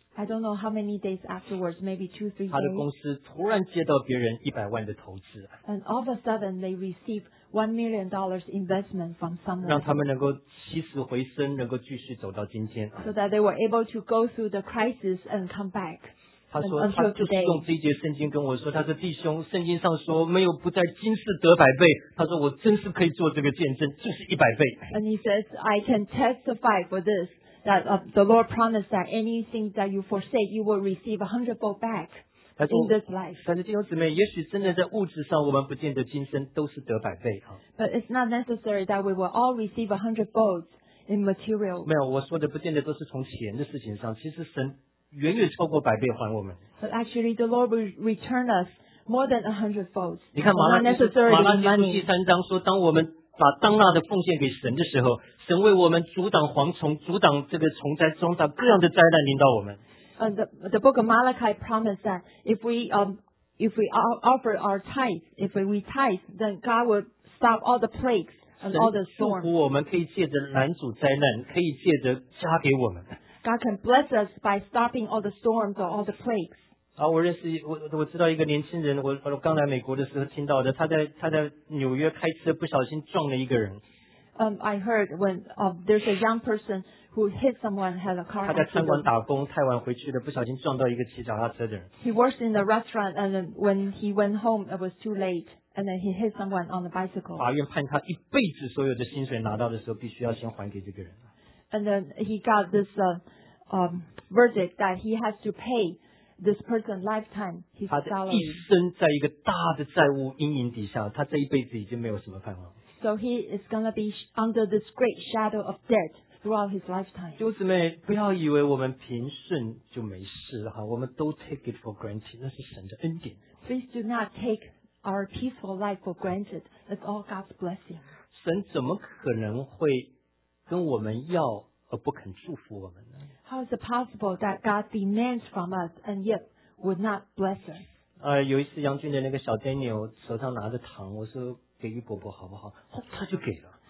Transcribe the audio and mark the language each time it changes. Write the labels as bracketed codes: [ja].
[en] I don't know how many days afterwards, maybe two, three days. [zh] 他的公司突然接到别人100万的投资。 [en] And all of a sudden they received $1 million investment from someone. [zh] 让他们能够起死回生，能够继续走到今天。 [en] So that they were able to go through the crisis and come back. [zh] 他说他就是用这一节圣经跟我说，他说弟兄，圣经上说没有不在今世得百倍。他说我真是可以做这个见证，就是一百倍。 [en] And he says I can testify for this. That the Lord promised that anything that you forsake, you will receive 100-fold back in this life. [zh] 但是弟兄姊妹，也许真的在物质上，我们不见得今生都是得百倍啊。 [en] But it's not necessary that we will all receive 100-fold in material. [zh] 没有，我说的不见得都是从钱的事情上，其实神远远超过百倍还我们。 [en] But actually, the Lord will return us more than 100-fold. [zh] 你看马拉基书第三章说，当我们把当纳的奉献给神的时候，神为我们阻挡蝗虫，阻挡这个虫灾，阻挡各样的灾难临到我们。 [en] The book of Malachi promised that if we offer our tithe, if we tithe, then God will stop all the plagues and all the storms. [zh] 神祝福我们可以借着拦阻灾难，可以借着加给我们。 [en] God can bless us by stopping all the storms or all the plagues. [zh] 我认识我知道一个年轻人，我刚来美国的时候听到的，他在纽约开车不小心撞了一个人。 [en] I heard when there's a young person who hit someone had a car. [zh] 他在餐馆打工，太晚回去了，不小心撞到一个骑脚踏车的人。 [en] He works in a restaurant and when he went home, it was too late, and then he hit someone on the bicycle. [zh] 法院判他一辈子所有的薪水拿到的时候，必须要先还给这个人。 [en] And then he got this verdict that he has to pay this person lifetime his salary. [zh] 他的一生在一个大的债务阴影底下，他这一辈子已经没有什么盼望。 [en] So he is going to be under this great shadow of debt throughout his lifetime. [zh] 就是妹，不要以为我们平顺就没事哈，我们都 [en] take it for granted， [zh] 那是神的恩典。 [en] Please do not take our peaceful life for granted. It's all God's blessing. [zh] 神怎么可能会跟我们要而不肯祝福我们呢？ [en] How is it possible that God demands from us and yet would not bless us? [zh] 有一次杨俊的那个小 Daniel 手上拿着糖，我说给玉伯伯好不好，哦，他就给了。